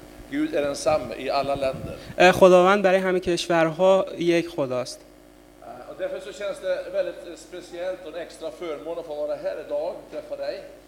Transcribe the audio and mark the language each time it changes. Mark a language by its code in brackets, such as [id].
[sv] Gud är densamme i alla länder. [fa] خداوند برای همه کشورها یک خداست. [sv] Därför så känns det väldigt speciellt och en extra förmån att få vara här idag träffa dig.